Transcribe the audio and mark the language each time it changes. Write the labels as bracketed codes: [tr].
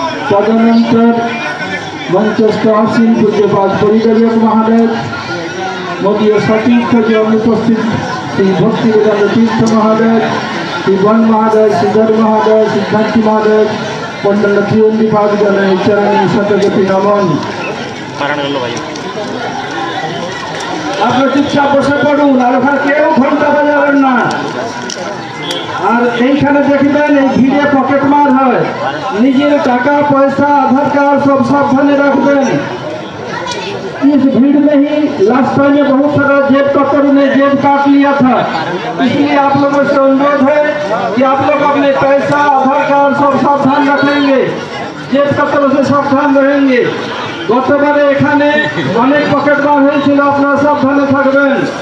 [hi] तदनंतर मंचस्थ आसीन पूज्यपाद परिगणक महाराज मदीय सतीर्थ जी अनुपस्थित श्री भक्ति वेदांत तीर्थ महाराज श्री वन महाराज सुधर महाराज श्री शांति महाराज पंडल त्रिवेदी पाद जनय चरण सतगति नमन। [bn] আপনার চুপচাপ বসে পড়ুন, আর ওখানে কেউ ঘন্টা বাজাবেন না। আর এইখানে দেখবেন এই ভিড়ে পকেট মার হয়, নিজের টাকা পয়সা আধার কার্ড সব সাবধানে রাখবেন। [hi] इस भीड़ में ही लास्ट टाइम में बहुत सारा जेब पकड़ ने जेब काट लिया था, इसलिए आप लोगों से अनुरोध है कि आप लोग अपने पैसा आधार कार्ड सब सावधान रखेंगे, जेब कतरों से सावधान रहेंगे। [bn] গত বারে এখানে অনেক পকেট মার হয়েছিল, আপনারা সাবধানে থাকবেন।